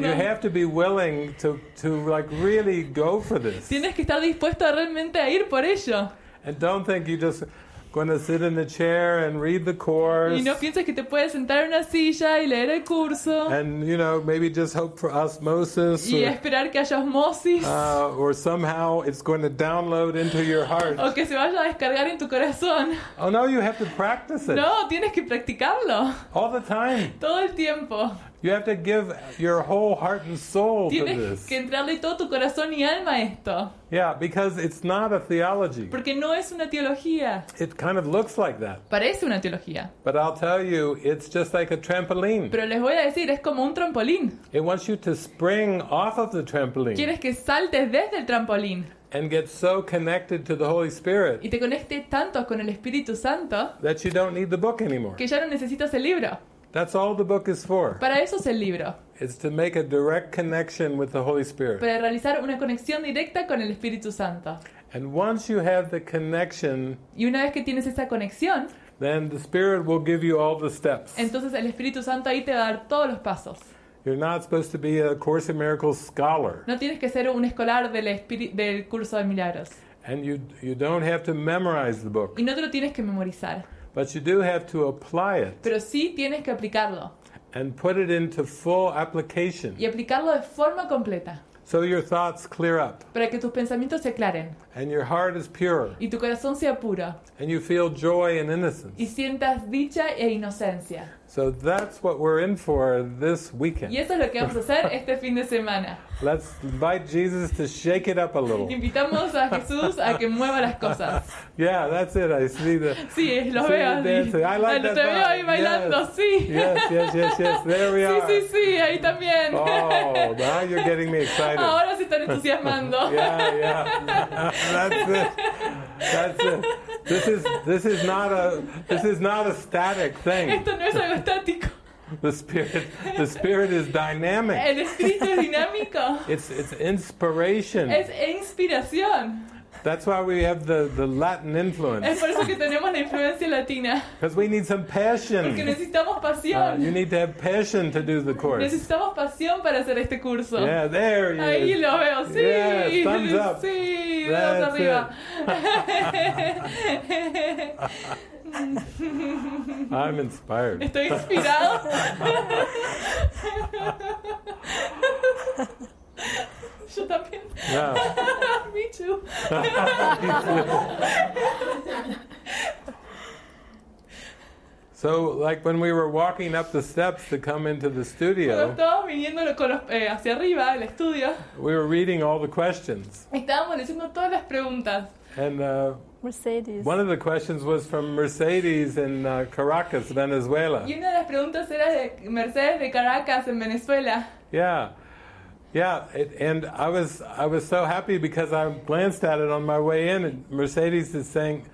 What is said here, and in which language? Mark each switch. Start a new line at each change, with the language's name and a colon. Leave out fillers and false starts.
English: You have to be willing to like really go for this.
Spanish: Tienes que estar dispuesto a realmente a ir por ello.
English: And don't think you just going to sit in the chair and read the course.
Spanish: Y no pienses que te puedes sentar en una silla y leer el curso.
English: And you know, maybe just hope for osmosis.
Spanish: Y esperar que haya osmosis.
English: Or somehow it's going to download into your heart.
Spanish: O que se vaya a descargar en tu corazón.
English: Oh no, you have to practice it.
Spanish: No, tienes que practicarlo.
English: All the time.
Spanish: Todo el tiempo.
English: You have to give your whole heart and soul to this.
Spanish: Tienes que entregarle todo tu corazón y alma a esto.
English: Yeah, because it's not a theology.
Spanish: Porque no es una teología.
English: It kind of looks like that.
Spanish: Parece una teología.
English: But I'll tell you, it's just like a trampoline.
Spanish: Pero les voy a decir, es como un trampolín.
English: It wants you to spring off of the trampoline.
Spanish: Quieres que saltes desde el trampolín.
English: And get so connected to the Holy Spirit.
Spanish: Y te conectes tanto con el Espíritu Santo.
English: That you don't need the book anymore.
Spanish: Que ya no necesitas el libro.
English: That's all the book is for.
Spanish: Para eso es el libro.
English: It's to make a direct connection with the Holy Spirit.
Spanish: Para realizar una conexión directa con el Espíritu Santo.
English: And once you have the connection,
Spanish: y una vez que tienes esa conexión,
English: then the Spirit will give you all the steps.
Spanish: Entonces el Espíritu Santo ahí te va a dar todos los pasos.
English: You're not supposed to be a Course in Miracles scholar.
Spanish: No tienes que ser un escolar del curso de milagros.
English: And you don't have to memorize the book.
Spanish: Y no te lo tienes que memorizar.
English: But you do have to apply it.
Spanish: Pero sí tienes que aplicarlo.
English: And put it into full application.
Spanish: Y aplicarlo de forma completa.
English: So your thoughts clear up.
Spanish: Para que tus pensamientos se aclaren.
English: And your heart is pure.
Spanish: Y tu corazón sea puro.
English: And you feel joy and innocence.
Spanish: Y sientas dicha e inocencia.
English: So that's what we're in for this weekend.
Spanish: Y eso es lo que vamos a hacer este fin de semana.
English: Let's invite Jesus to shake it up a little.
Spanish: Invitamos a Jesús a que mueva las cosas.
English: Yeah, that's it. I see that.
Spanish: Sí, lo
English: see
Spanish: veo.
English: I like that.
Spanish: Te veo ahí bailando.
English: Yes.
Spanish: Sí.
English: Yes. There we are.
Spanish: Sí, sí, sí. Ahí también.
English: Oh, now you're getting me excited.
Spanish: Ahora se están entusiasmando.
English: Yeah. That's it. This is not a static thing.
Spanish: Esto no es algo estático.
English: The spirit is dynamic.
Spanish: El espíritu es dinámico.
English: It's inspiration.
Spanish: Es inspiración.
English: That's why we have the Latin influence.
Spanish: Es por eso que tenemos la influencia latina.
English: Because we need some passion.
Spanish: Porque necesitamos pasión.
English: You need to have passion to do the course.
Spanish: Necesitamos pasión para hacer este curso.
English: Yeah, there you go.
Spanish: Ahí lo veo. Sí.
English: Yeah, thumbs up.
Spanish: Sí. Dedos arriba.
English: I'm inspired.
Spanish: Estoy inspirado. Yo también.
English: Yeah. Me too. Me too. So, like when we were walking up the steps to come into the studio,
Spanish: hacia arriba, el estudio,
English: we were reading all the questions.
Spanish: Estábamos leyendo todas las preguntas.
English: And Mercedes. One of the questions was from Mercedes in Caracas, Venezuela.
Spanish: Y una de las preguntas era de Mercedes de Caracas, en Venezuela.
English: Yeah. Yeah, and I was so happy because I glanced at it on my way in, and Mercedes is saying.